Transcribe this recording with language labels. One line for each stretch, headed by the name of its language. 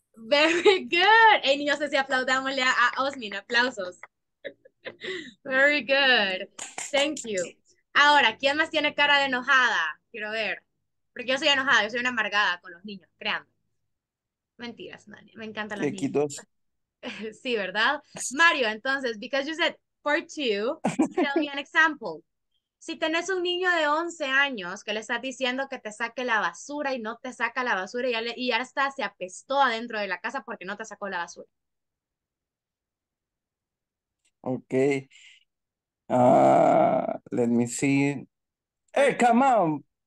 English: Very good.
Spanish: Hey, niños, así aplaudámosle a Osmin. Aplausos.
English: Very good. Thank you.
Spanish: Ahora, ¿quién más tiene cara de enojada? Quiero ver. Porque yo soy enojada, yo soy una amargada con los niños, créanme. Mentiras, Mani. Me encantan los niños. Sí, ¿verdad?
English: Mario, entonces, because you said for two, tell me an example.
Spanish: Si tenés un niño de 11 años que le estás diciendo que te saque la basura y no te saca la basura y ya está, se apestó adentro de la casa porque no te sacó la basura.
English: Ok. Let me see. Hey, come on.